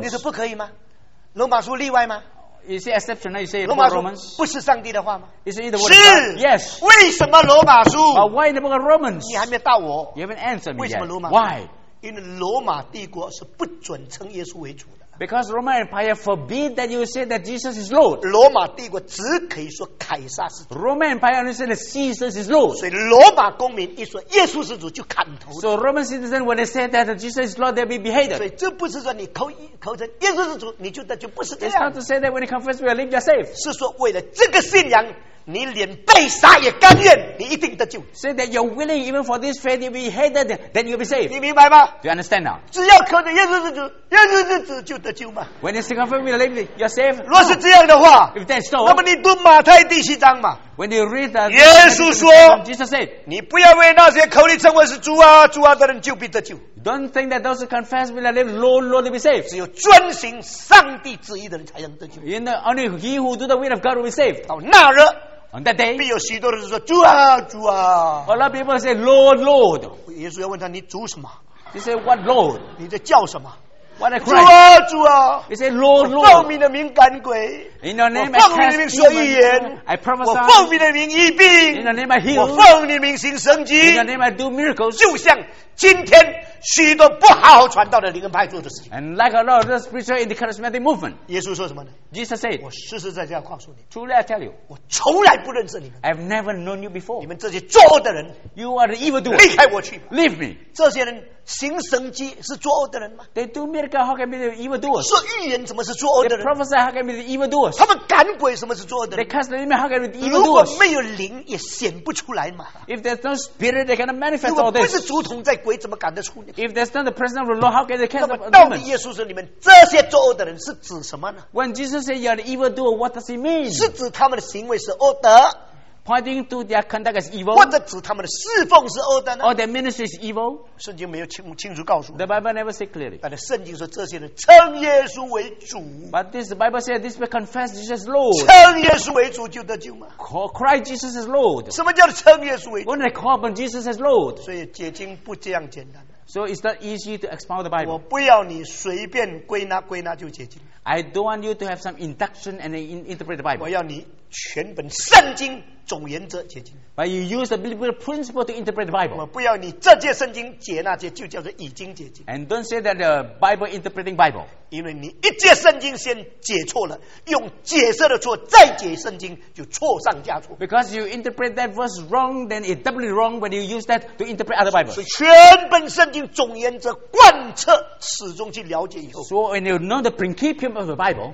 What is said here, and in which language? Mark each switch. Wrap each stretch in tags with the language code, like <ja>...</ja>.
<zh>你说不可以吗罗马书例外吗</zh> <en>You say exception now you say</en> <zh>罗马书不是上帝的话吗</zh> <en>Is it the word of God Yes</en> <zh>为什么罗马书</zh> <en>But why in the book of Romans</en> <zh>你还没到我</zh> <en>You haven't answered me yet</en> <zh>为什么罗马</zh> <en>Why</en> <zh>因为罗马帝国是不准称耶稣为主的</zh> <en>Because Roman Empire forbid that you say that Jesus is Lord.</en> <zh>罗马帝国只可以说凯撒是主。</zh> <en>Roman Empire only said that Jesus is Lord.</en> <zh>所以罗马公民一说耶稣是主就砍头。</zh> <en>So Roman citizen when they say that Jesus is Lord, they'll be beheaded.</en> <zh>所以这不是说你口称耶稣是主，你就那就不是这样。</zh> <en>It's not to say that when you confess you believe you're safe.</en> <zh>是说为了这个信仰。你连被杀也甘愿，你一定得救。</zh> <en>Say that you're willing even for this faith to be hated, then you'll be saved.</en> <zh>你明白吗</zh> <en>？Do you understand now?</en> <zh>只要靠着耶稣是主，耶稣是主就得救嘛。</zh> <en>When you stick on faith, you're saved.</en> <zh>若是这样的话</zh> <en>，If that's so,</en> <zh>那么你读马太第七章嘛。</zh> <en>When you read that,</en> <zh>耶稣说</zh> <en>，Jesus said,</en> <zh>你不要为那些口里称我是主啊、主啊的人就必得救。</zh> <en>Don't think that those who confess will live, Lord, Lord, they'll be saved.</en> <zh>只有遵行上帝旨意的人才能得救。</zh> <en>In the only he who do the will of God will be saved.</en> <zh>到那日。</zh> <en>On that day,</en> <zh>必有许多人说主啊主啊。</zh> <en>A lot of people say, Lord, Lord.</en> <zh>耶稣要问他你主什么</zh> <en>？He said, What Lord?</en> <zh>你在叫什么</zh> <en>？What a cry!</en> <zh>主啊主啊。</zh> <en>He said, Lord, Lord.</en> <zh>奉你的名赶鬼。</zh> <en>In your name,</en> <zh>我奉你的名说预言。</zh> <en>I prophesy.</en> <zh>我奉你的名医病。</zh> <en>In your name, I heal.</en> <zh>我奉你的名行神迹。</zh> <en>In your name, I do miracles.</en> <zh>就像今天许多不好好传道的灵恩派做的事情。</zh> <en>And like a lot of the spiritual in the charismatic movement.</en> <zh>耶稣说什么呢</zh> <en>？Jesus said,</en> <zh>我实实在在告诉你</zh> <en>，Truly I tell you,</en> <zh>我从来不认识你们。</zh> <en>I've never known you before.</en> <zh>你们这些作恶的人</zh> <en>，You are the evildoer.</en> <zh>离开我去吧</zh> <en>，Leave me.</en> <zh>这些人行神迹是作恶的人吗</zh> <en>？They do miracles. How can be the evildoers?</en> <zh>说预言怎么是作恶的人</zh> <en>？They prophesy. How can be the evildoers?</en> <zh>他们赶鬼什么是作恶的人</zh> <en>？They cast the demon. How can be the evildoers?</en> <zh>如果没有灵，也显不出来嘛。</zh> <en>If there's no spirit, they cannot manifest all this.</en> <zh>如果不是主同在，鬼怎么赶得出？</zh> <en>If there's not the presence of the Lord, how can they cast them out?</en> <zh>那么到底耶稣说你们这些作恶的人是指什么呢</zh> <en>？When Jesus said you are the evil doer, what does he mean?</en> <zh>是指他们的行为是恶的</zh> <en>，pointing to their conduct is evil，</en> <zh>或者指他们的侍奉是恶的呢</zh> <en>？Or their ministry is evil？</en> <zh>圣经没有清楚告诉。</zh> <en>The Bible never said clearly。</en> <zh>但是圣经说这些人称耶稣为主。</zh> <en>But this Bible says this will confess Jesus Lord。</en> <zh>称耶稣为主就得救吗</zh> <en>？Cry Jesus is Lord。</en> <zh>什么叫称耶稣为主</zh> <en>？When they call upon Jesus as Lord。</en> <zh>所以解经不这样简单。</zh> <en>So it's not easy to expound the Bible.</en> <zh>我不要你随便归纳就解经。</zh> <en>I don't want you to have some induction and interpret the Bible.</en> <zh>我要你全本圣经总原则解经。</zh> <en>But you use the biblical principle to interpret the Bible.</en> <zh>我不要你这节圣经解那节就叫做已经解经。</zh> <en>And don't say that the Bible interpreting Bible.</en> <zh>因为你一节圣经先解错了，用解释的错再解圣经就错上加错。</zh> <en>Because you interpret that verse wrong, then it doubly wrong when you use that to interpret other Bible.</en> <zh>所以全本圣经总原则贯彻始终去了解以后。</zh> <en>So when you know the principle of the Bible,</en>